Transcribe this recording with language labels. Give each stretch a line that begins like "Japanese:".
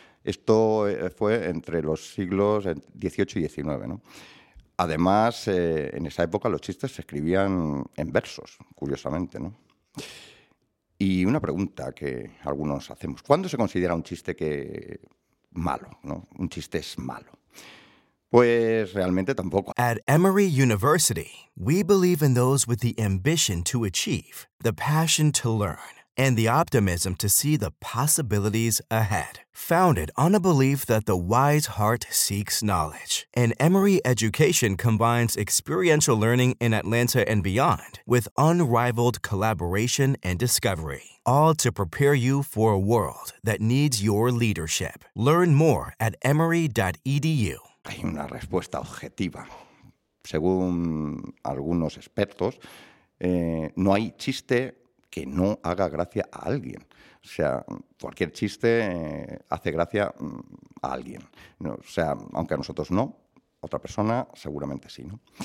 Spanish: Esto fue entre los siglos XVIII y XIX, ¿no? Además, en esa época los chistes se escribían en versos, curiosamente, ¿no? Y una pregunta que algunos hacemos, ¿cuándo se considera un chiste que malo, ¿no? Un chiste es malo. Pues realmente tampoco.
English: At Emory University, we believe in those with the ambition to achieve, the passion to learn, and the optimism to see the possibilities ahead. Founded on a belief that the wise heart seeks knowledge, an Emory education combines experiential learning in Atlanta and beyond with unrivaled collaboration and discovery, all to prepare you for a world that needs your leadership. Learn more at emory.edu.
Spanish: Hay una respuesta objetiva. Según algunos expertos, no hay chiste que no haga gracia a alguien. O sea, cualquier chiste hace gracia a alguien. O sea, aunque a nosotros no, otra persona seguramente sí, ¿no?